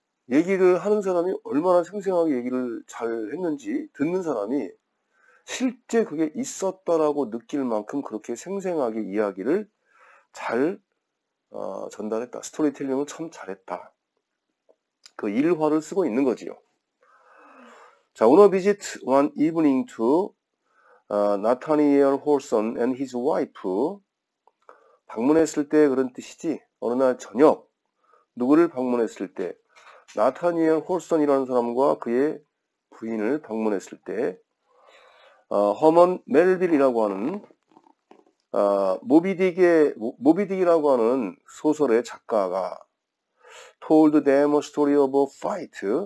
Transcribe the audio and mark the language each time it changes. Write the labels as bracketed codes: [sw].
[ko] 얘기를 하는 사람이 얼마나 생생하게 얘기를 잘 했는지, 듣는 사람이 실제 그게 있었다라고 느낄 만큼 그렇게 생생하게 이야기를 잘 전달했다. 스토리텔링을 참 잘했다. 그 일화를 쓰고 있는 거지요. [en] 자, On a visit one evening to Nathaniel Holson and his wife. [ko] 방문했을 때 그런 뜻이지. 어느 날 저녁 누구를 방문했을 때, Nathaniel Holson이라는 사람과 그의 부인을 방문했을 때, Herman Melville이라고 하는 모비딕이라고 하는 소설의 작가가 [en] told them a story of a fight.